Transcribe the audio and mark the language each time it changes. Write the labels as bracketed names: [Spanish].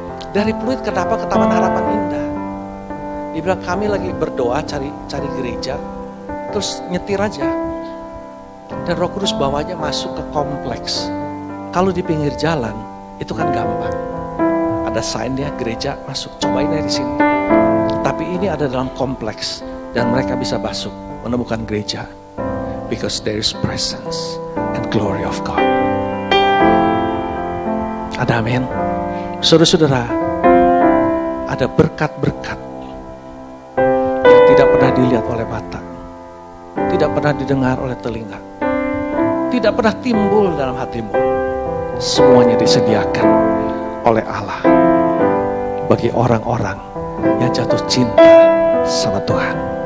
[Indonesian] Dari Pluit kenapa ke Taman Harapan Indah? Dia bilang, kami lagi berdoa cari gereja, terus nyetir aja. Dan Roh Kudus bawanya masuk ke kompleks. Kalau di pinggir jalan, itu kan gampang. Ada sign-nya gereja masuk, cobain aja di sini. Tapi ini ada dalam kompleks, dan mereka bisa masuk, menemukan gereja. [English] Because there is presence and glory of God. [Indonesian] Ada amin? Saudara-saudara, ada berkat-berkat yang tidak pernah dilihat oleh mata, tidak pernah didengar oleh telinga, tidak pernah timbul dalam hatimu. Semuanya disediakan oleh Allah bagi orang-orang yang jatuh cinta sama Tuhan.